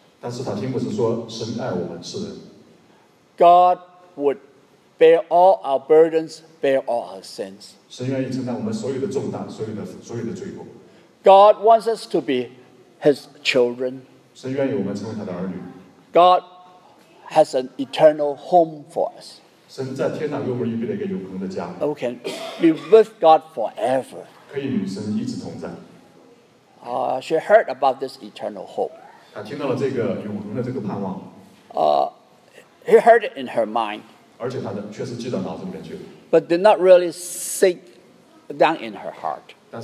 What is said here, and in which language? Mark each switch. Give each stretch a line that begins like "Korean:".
Chinese: 但是她听牧师说，神爱我们，是人。
English: God would bear all our burdens, bear all our sins.
Chinese: 神愿意承担我们所有的重担，所有的罪过。
English: God wants us to be His children.
Chinese: 神愿意我们成为他的儿女。
English: God has an eternal home for us.
Chinese: 神在天上给我们预备了一个永恒的家。
English: We can be with God forever.
Chinese: 可以与神一直同在。
English: She heard about this eternal hope.
Chinese: 她听到了这个永恒的这个盼望。
English: He heard it in her mind.
Chinese: 而且她的确实记到脑子里面去了。
English: But did not really sink down in her heart.